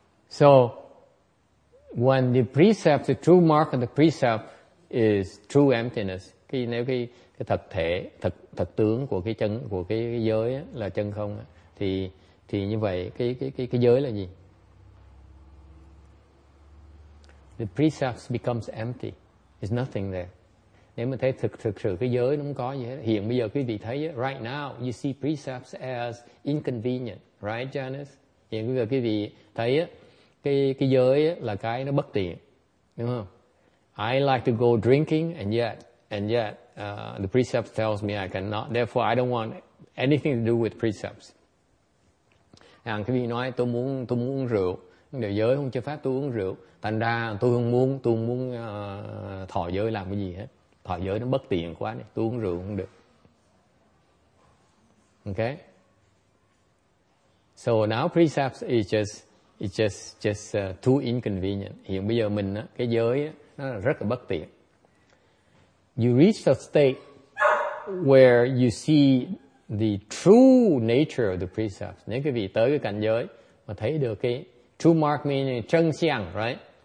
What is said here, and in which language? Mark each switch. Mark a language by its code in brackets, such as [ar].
[en] So, when the precept, the true mark of the precept is true emptiness, [vi] cái nếu cái thật thể, thật tướng của cái chân, của cái giới á, là chân không á, thì như vậy cái giới là gì? [en] The precepts becomes empty. There's nothing there. [vi] Nếu mà thấy thực sự cái giới nó không có gì hết. Hiện bây giờ quý vị thấy á, [en] right now you see precepts as inconvenient, right Janice? [vi] Hiện bây giờ quý vị thấy á, cái giới á, là cái nó bất tiện, đúng không? [en] I like to go drinking and yet the precepts tells me I cannot. Therefore, I don't want anything to do with precepts. [vi] Hàng khi nói tôi muốn uống rượu, điều giới không cho phép tôi uống rượu. Thành ra tôi không muốn thọ giới làm cái gì hết. Thọ giới nó bất tiện quá này, tôi uống rượu không được. [en] Okay. So now precepts is just too inconvenient. [vi] Hiện bây giờ mình á, cái giới á, nó rất là bất tiện. [en] You reach a state where you see the true nature of the precepts. [vi] Nếu quý vị tới cái cảnh giới mà thấy được cái true mark meaning chân xiang, right?